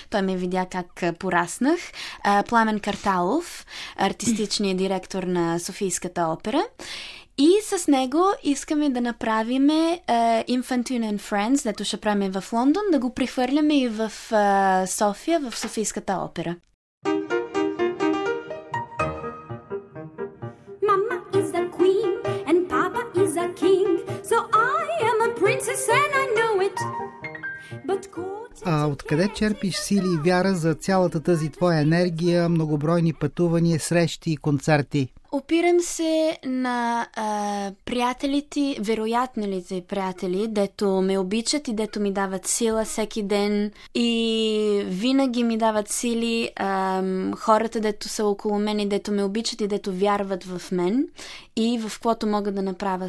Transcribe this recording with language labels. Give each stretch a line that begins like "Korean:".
Bulgarian: Той ме видя как пораснах. Пламен Карталов, артистичният директор на Софийската опера. И с него искаме да направим Infantine and Friends, дето ще правим в Лондон, да го прехвърляме и в София, в Софийската опера.
English: Mama is a queen and papa is a king, so I am a princess and I know it.
Bulgarian: А откъде черпиш сили и вяра за цялата тази твоя енергия, многобройни пътувания, срещи и концерти? Опирам се на приятелите, вероятнолите приятели, дето ме обичат и дето ми дават сила всеки ден и винаги ми дават сили хората, дето са около мен и дето ме обичат и дето вярват в мен и в което мога да направя.